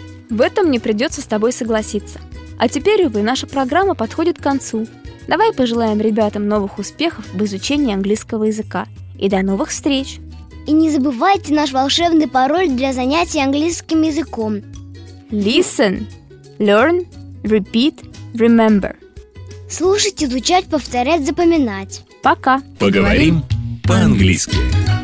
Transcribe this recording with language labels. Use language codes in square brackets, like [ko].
[ru] В этом мне придется с тобой согласиться. А теперь, увы, наша программа подходит к концу. Давай пожелаем ребятам новых успехов в изучении английского языка. И до новых встреч! И не забывайте наш волшебный пароль для занятий английским языком. [en] Listen, learn, repeat, remember. [ru] Слушать, изучать, повторять, запоминать. Пока! Поговорим по-английски.